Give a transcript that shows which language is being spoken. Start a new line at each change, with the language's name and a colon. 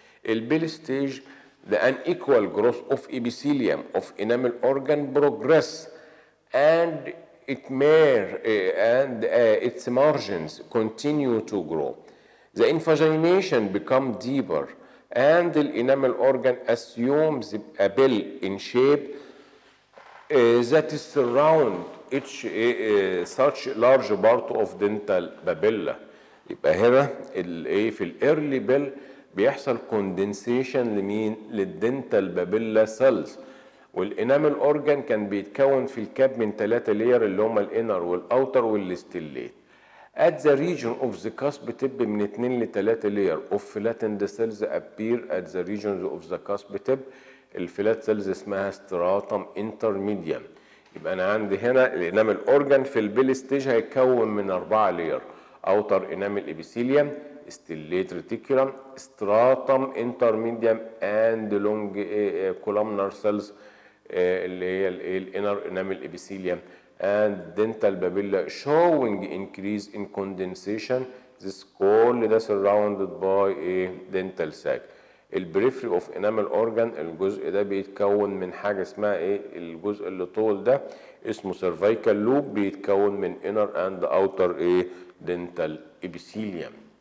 English: البيل stage the unequal growth of epithelium of enamel organ progress and it may and its margins continue to grow. The invagination become deeper and the enamel organ assumes a bell in shape that is surround each such large part of dental papilla.
Arabic: يبقى هنا الايه في الايرلي بيل بيحصل condensation لمين للدنتال بابيلا سيلز والانامل اورجان كان بيتكون في الكاب من ثلاثه لير اللي هما الانر والاوتر والاستيليت.
English: At the region of the cusp tip
Arabic: من 2 ل 3 لير
English: of flattened cells appear at the region of the cusp tip. الفلات cells اسمها stratum intermedium.
Arabic: يبقى انا عندي هنا
English: الانامل اورجان في البيل ستيج هيتكون من 4 layer outer enamel epithelium stellate reticulum stratum intermedium and long columnar cells
Arabic: اللي هي
English: الـ inner enamel epithelium and dental papilla showing increase in condensation. This all is surrounded by a dental sac. The periphery of enamel organ
Arabic: الجزء ده بيتكون من حاجة اسمها ايه الجزء اللي طول ده اسمه cervical loop بيتكون من
English: inner and outer dental epithelium.